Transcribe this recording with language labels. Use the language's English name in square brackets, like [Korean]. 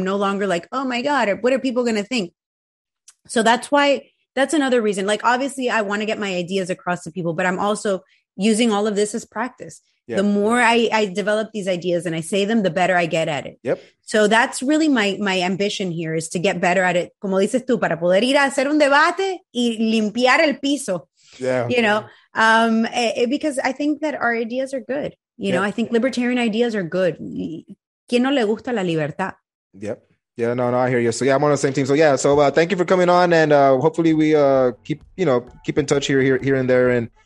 [English] I'm no longer like, oh my God, what are people going to think? So that's why, that's another reason. Like, obviously I want to get my ideas across to people, but I'm also using all of this as practice. Yeah. The more I develop these ideas and I say them, the better I get at it. Yep. So that's really my ambition here is to get better at it. [Spanish] Como dices tú, para poder ir a hacer un debate y limpiar el piso. [English] Yeah. You know, because I think that our ideas are good. You know, I think libertarian ideas are good. [Spanish] ¿Quién no le gusta la libertad? [English] Yep. Yeah, no, I hear you. So yeah, I'm on the same team. So yeah, so thank you for coming on and hopefully we keep in touch here and there and